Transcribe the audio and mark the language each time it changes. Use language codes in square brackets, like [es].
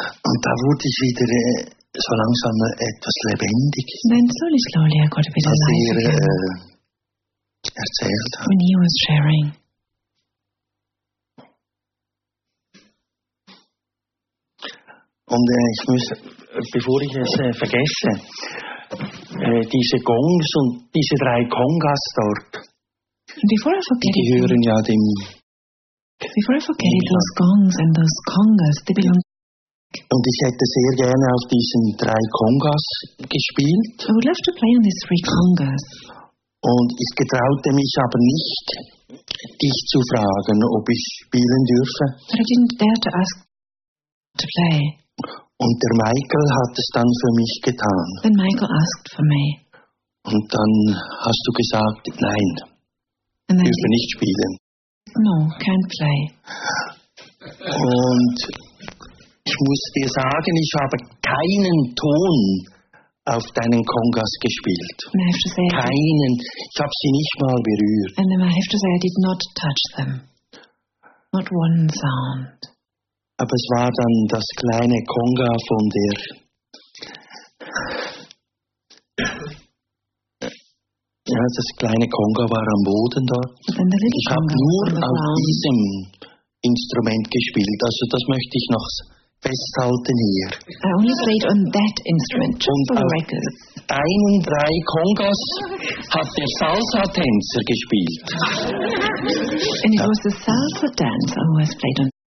[de] Und da wurde ich wieder so langsam etwas lebendig. [en] Then slowly, slowly I got a bit alive again. [de] Erzählt hat. [en] When he was sharing. [de] Und ich muss, bevor ich es vergesse, diese Gongs und diese drei Kongas dort, die gehören ja dem... [en] Before I forget it, those Gongs and those Kongas, they belong... [de] Und ich hätte sehr gerne auf diesen drei Kongas gespielt. [en] I would love to play on these three Kongas. [de] Und ich getraute mich aber nicht, dich zu fragen, ob ich spielen dürfe. [en] But I didn't dare to ask to play. [de] Und der Michael hat es dann für mich getan. [en] Then Michael asked for me. [de] Und dann hast du gesagt, nein, dürfe nicht spielen. [en] No, can't play. [de] Und ich muss dir sagen, ich habe keinen Ton auf deinen Kongas gespielt. [en] And I have to say, [de] keinen. Ich habe sie nicht mal berührt. [en] And then I have to say, I did not touch them. Not one sound. [de] Aber es war dann das kleine Konga von der ja, das kleine Konga war am Boden dort. Ich habe nur auf diesem Instrument gespielt. Also das möchte ich noch festhalten hier. [en] I only played on that instrument, just for the record. [de] Und auf einen drei Kongas hat der Salsa-Tänzer gespielt. [en] And it was the Salsa-Dancer who has played on.